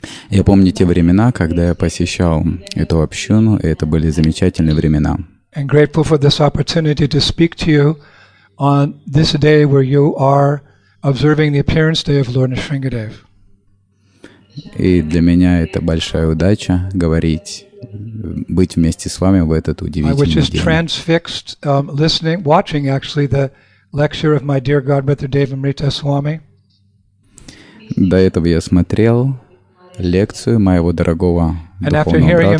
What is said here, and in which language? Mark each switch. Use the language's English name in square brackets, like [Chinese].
[Russian] Я помню те времена, когда я посещал эту общину, и это были замечательные времена. [English] And grateful for this opportunity to speak to you on this day where you are observing the appearance day of Lord Nrisimhadev. [Russian] И для меня это большая удача говорить, быть вместе с вами в этот удивительный день. [English] I was just transfixed, listening, watching actually the lecture of my dear godbrother Devamrita Swami. [Russian] До этого я смотрел лекцию моего дорогого духовного брата